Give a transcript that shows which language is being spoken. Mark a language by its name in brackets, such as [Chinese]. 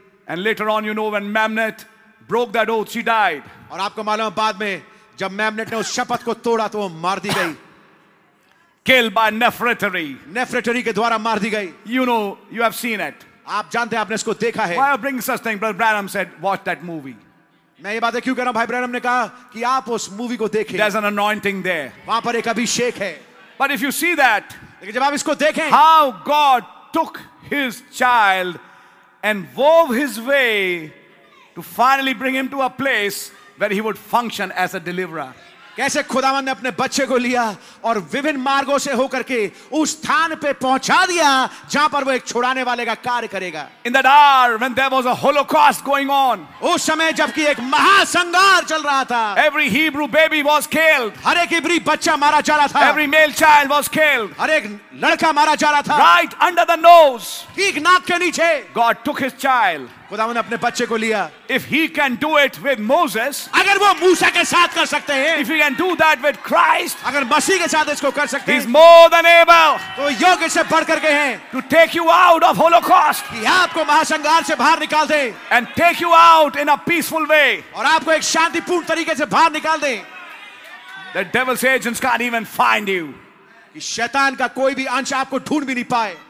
[English] And later on, you know, when Mamnet broke that oath, she died. [Hindi] और आपको मालूम है बाद में जब Mamnet ने उस शपथ को तोड़ा तो वो मार दी गई. [English] Killed by Nefertari. [Hindi] Nefertari के द्वारा मार दी गई. [English] You know, you have seen it. [Hindi] आप जानते हैं, आपने इसको देखा है. [English] Why are bringing such thing? Brother Branham said, watch that movie. [Hindi] मैं ये बातें क्यों कर रहा हूं, भाई ब्रैनम ने कहा कि आप उस मूवी को देखें. [English] There's an anointing there. [Hindi] वहां पर एक अभिषेक है. [English] But if you see that, [Hindi] लेकिन जब आप इसको देखें, [English] how God took his child and wove his way to finally bring him to a place where he would function as a deliverer. [Hindi] कैसे खुदावन ने अपने बच्चे को लिया और विभिन्न मार्गों से होकर के उस स्थान पे पहुंचा दिया जहां पर वो एक छुड़ाने वाले का कार्य करेगा। [English] In that hour when there was a holocaust going on, [Hindi] उस समय जबकि एक महासंहार चल रहा था, [English] every Hebrew baby was killed, [Hindi] हर एक इब्री बच्चा मारा जा रहा था, [English] every male child was killed, [Hindi] हर एक लड़का मारा जा रहा था, [English] right under the nose, [Hindi] ठीक नाक के नीचे, [English] God took his child, [Hindi] खुदावन ने अपने बच्चे को लिया, [English] if he can do it with Moses, [Hindi] अगर वो मूसा के साथ कर सकते हैं, [English] if he can do that with Christ, [Hindi] अगर मसीह के साथ इसको कर सकते हैं, [English] he's more than able, [Hindi] तो योग्य से बढ़कर के हैं, [English] to take you out of holocaust, [Hindi] आपको महासंहार से बाहर निकाल दे, [English] and take you out in a peaceful way, [Hindi] और आपको एक शांतिपूर्ण तरीके से बाहर निकाल दे, [English] the devil's agents can't even find you, [Hindi] कि शैतान का कोई भी अंश आपको ढूंढ भी नहीं पाए,